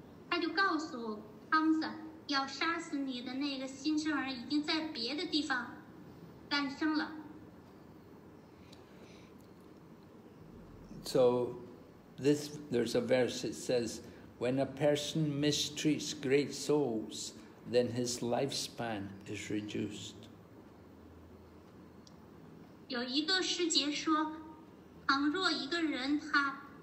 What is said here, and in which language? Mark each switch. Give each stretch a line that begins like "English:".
Chinese: 他就告诉康萨，要杀死你的那个新生儿已经在别的地方诞生了。
English: So, this there's a verse that says, when a person mistreats great souls, then his lifespan is reduced.
Chinese: 有一个诗节说，倘若一个人他